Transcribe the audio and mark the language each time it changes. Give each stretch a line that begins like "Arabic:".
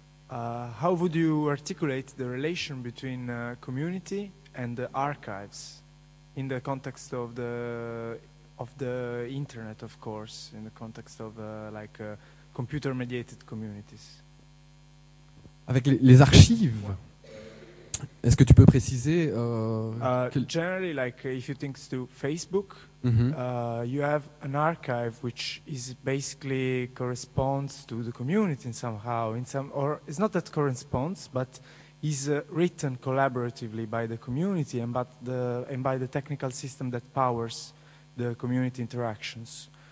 English: How would you articulate the relation between community and the archives in the context of the internet, of course, in the context of computer-mediated communities.
French: Avec les archives, est-ce que tu peux préciser
English: Generally, if you think to Facebook, mm-hmm. You have an archive which is basically corresponds to the community somehow, or it's not that corresponds, but is written collaboratively by the community and by the technical system that powers the community interactions.